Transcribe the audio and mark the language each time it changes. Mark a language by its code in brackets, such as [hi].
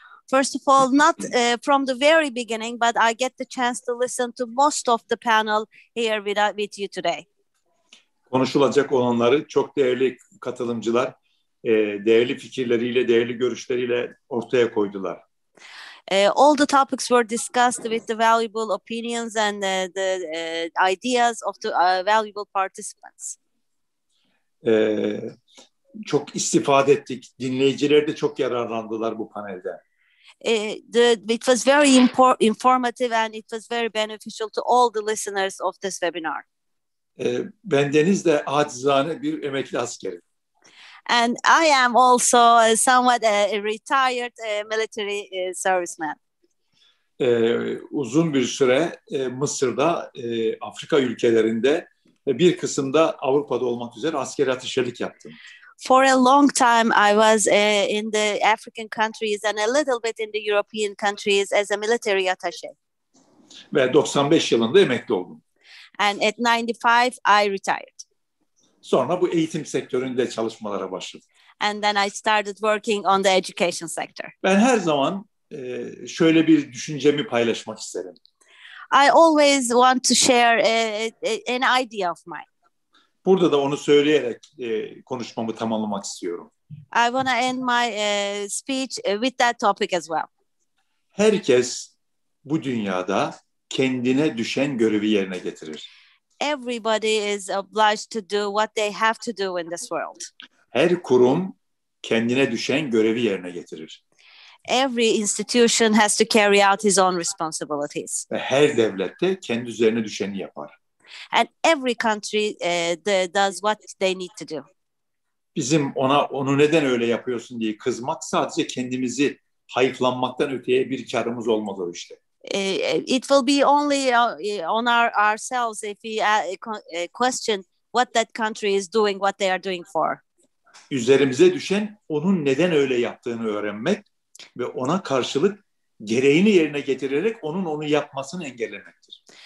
[en] First of all, not from the very beginning, but I get the chance to listen to most of the panel here with you today. [tr] Konuşulacak olanları çok değerli katılımcılar, değerli fikirleriyle, değerli görüşleriyle ortaya koydular. [en] All the topics were discussed with the valuable opinions and the ideas of the valuable participants. [tr] Çok istifade ettik. Dinleyiciler de çok yararlandılar bu panelde. [en] It was very informative and it was very beneficial to all the listeners of this webinar. [tr] Bendeniz de acizane bir emekli askerim. [en] And I am also somewhat a retired military serviceman. [tr] Uzun bir süre Mısır'da, Afrika ülkelerinde ve bir kısımda Avrupa'da olmak üzere askeri ateşlilik yaptım. [en] For a long time, I was in the African countries and a little bit in the European countries as a military attaché. [tr] Ve 95 yılında emekli oldum. [en] And at 95, I retired. [tr] Sonra bu eğitim sektöründe çalışmalara başladım. [en] And then I started working on the education sector. [tr] Ben her zaman şöyle bir düşüncemi paylaşmak isterim. [en] I always want to share an idea of mine. [tr] Burada da onu söyleyerek konuşmamı tamamlamak istiyorum. [en] I want to end my speech with that topic as well. [tr] Herkes bu dünyada kendine düşen görevi yerine getirir. [en] Everybody is obliged to do what they have to do in this world. [tr] Her kurum kendine düşen görevi yerine getirir. [en] Every institution has to carry out his own responsibilities. [tr] Ve her devlet de kendi üzerine düşeni yapar. [en] And every country does what they need to do. [tr] Bizim ona onu neden öyle yapıyorsun diye kızmak sadece kendimizi hayıflanmaktan öteye bir karımız olmaz o işte. [en] It will be only on ourselves if we question what that country is doing, what they are doing for. [tr] Üzerimize düşen onun neden öyle yaptığını öğrenmek ve ona karşılık gereğini yerine getirerek onun onu yapmasını engellemektir.